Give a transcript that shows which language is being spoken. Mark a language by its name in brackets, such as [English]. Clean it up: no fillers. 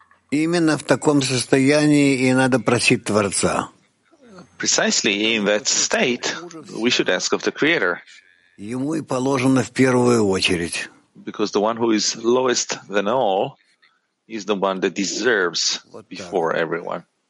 [Russian] Именно в таком состоянии и надо просить Творца. [English] Precisely in that state, we should ask of the Creator. [Russian] Ему и положено в первую очередь. [English] Because the one who is lowest than all is the one that deserves before everyone.